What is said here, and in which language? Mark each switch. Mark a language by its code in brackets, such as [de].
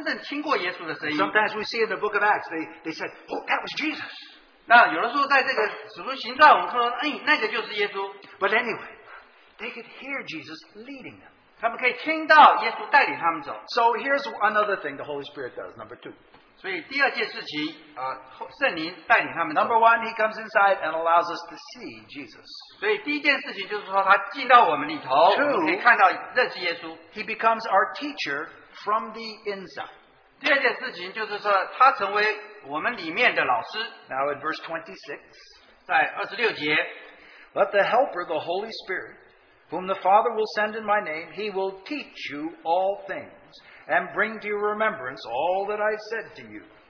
[en] Sometimes we see in the book of Acts, they said, oh, that was Jesus. But anyway, they could hear Jesus leading them. So here's another thing the Holy Spirit does, number two. [zh] 所以第二件事情,圣灵带领他们走。 [en] Number one, he comes inside and allows us to see Jesus. [zh] 所以第一件事情就是说他进到我们里头, [en] two, [zh] 我们可以看到认识耶稣。 [en] He becomes our teacher from the inside. [zh] 第二件事情就是说他成为我们里面的老师。 [en] Now in verse 26, [zh] 在26节, [en] but the Helper, the Holy Spirit, whom the Father will send in my name, he will teach you all things. And bring to your remembrance all that I said to you.